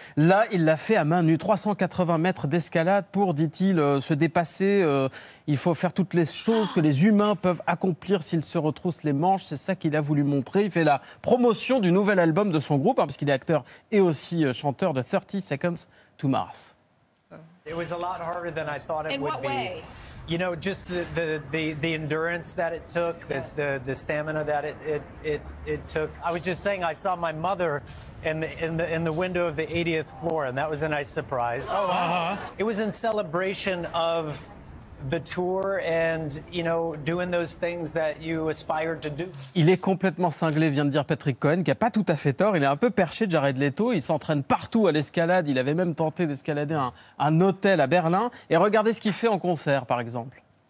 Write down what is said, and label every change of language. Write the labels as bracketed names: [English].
[French] Là, il l'a fait à main nue, 380 mètres d'escalade pour, dit-il, se dépasser. Il faut faire toutes les choses que les humains peuvent accomplir s'ils se retroussent les manches. C'est ça qu'il a voulu montrer. Il fait la promotion du nouvel album de son groupe, hein, parce qu'il est acteur et aussi chanteur de 30 Seconds to Mars. [English] It was a lot harder than I thought it would be. In what way? You know, just the endurance that it took, the stamina that it took. I was just saying, I saw my mother in the window of the 80th floor, and that was a nice surprise. Oh, uh-huh. It was in celebration of the tour and, you know, doing those things that you aspire to do. [French] Il est complètement cinglé, vient de dire Patrick Cohen, qui n'a pas tout à fait tort. Il est un peu perché, Jared Leto. Il s'entraîne partout à l'escalade. Il avait même tenté d'escalader un hôtel à Berlin. Et regardez ce qu'il fait en concert, par exemple.